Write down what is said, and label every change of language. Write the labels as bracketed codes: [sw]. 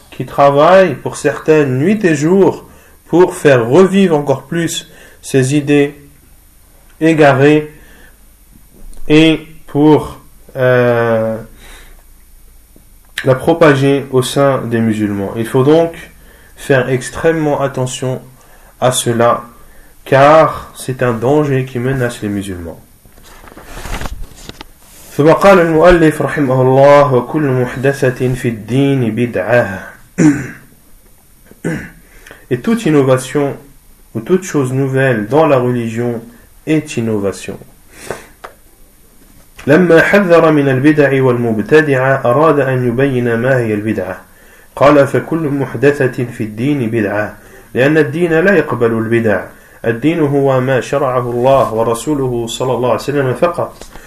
[fr] qui travaillent pour certaines nuit et jour pour faire revivre encore plus ces idées égarées et pour la propager au sein des musulmans. Il faut donc faire extrêmement attention à cela, car c'est un danger qui menace les musulmans. [ar] ثم قال المؤلف رحمه الله وكل محدثة في الدين بدعة. [fr] Et toute innovation ou toute chose nouvelle dans la religion est innovation. [ar] لما حذر من البدع والمبتدعة أراد أن يبين ما هي البدعة. قال فكل محدثة في الدين بدعة. لأن الدين لا يقبل البدع. الدين هو ما شرعه الله ورسوله صلى الله عليه وسلم فقط.